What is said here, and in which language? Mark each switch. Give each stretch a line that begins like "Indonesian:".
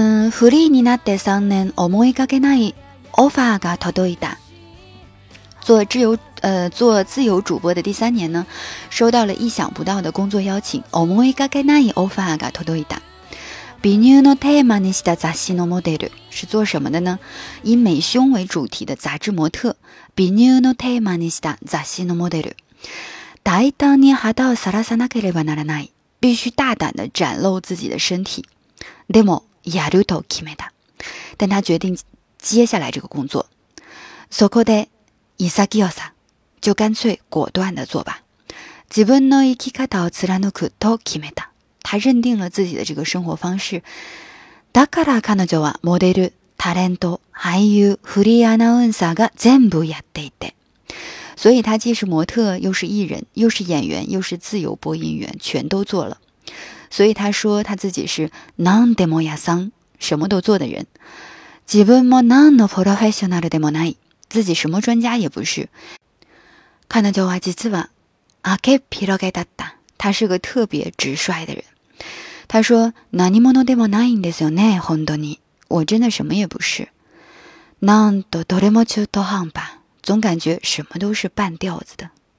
Japanese: フリーになって3年思いがけないOffer が届いた。
Chinese: 做自由主播的第三年呢，收到了意想不到的工作邀请。
Japanese: 思いがけないOffer が届いた。美乳のテーマにした雑誌のモデル
Chinese: 是做什么的呢？以美胸为主题的杂志模特。
Japanese: 美乳のテーマにした雑誌のモデル。大胆に肌をさらさなければならない。
Chinese: 必须大胆的展露自己的身体。
Japanese: でもやると決めた。
Chinese: 但他决定。接下来这个工作，
Japanese: そこで潔さ，
Chinese: 就干脆果断的做吧。
Japanese: 自分の生き方を貫くと決めた，
Chinese: 他认定了自己的这个生活方式。
Japanese: だから彼女はモデル、タレント、俳優、フリーアナウンサーが全部やっていて，
Chinese: 所以他既是模特，又是艺人，又是演员，又是自由播音员，全都做了。所以他说他自己是
Japanese: 何でも屋さん，
Chinese: 什么都做的人。
Japanese: 自分も何のプロフェッショナルでもない。
Chinese: 自己什么专家也不是。
Japanese: 彼女は実は、明け広げだった。
Chinese: 他是个特别直率的人。他说、
Japanese: 何者でもないんですよね、本当に。
Chinese: 我真的什么也不是。
Japanese: なんとどれも中途半端。
Chinese: 总感觉什么都是半吊子的。